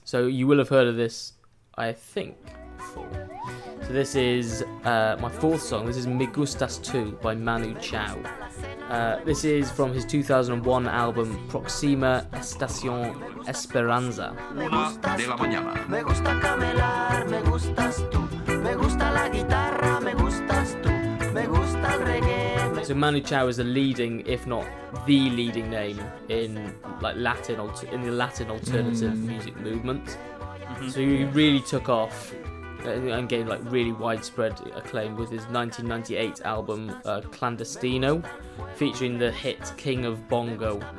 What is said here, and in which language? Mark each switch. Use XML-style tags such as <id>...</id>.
<en>So you will have heard of this, I think, before. So this is my fourth song. This is Me Gustas Tu by Manu Chao. This is from his 2001 album Proxima Estación Esperanza.</en> <es>Una de la mañana. Me gusta camelar, me gustas tú. Me gusta la guitarra, me gustas tú. Me gusta el reggae.</es> <en>So Manu Chao is a leading, if not the leading name in like Latin in the Latin alternative music movement. Mm-hmm. So he really took off and gained like really widespread acclaim with his 1998 album Clandestino, featuring the hit King of Bongo.</en>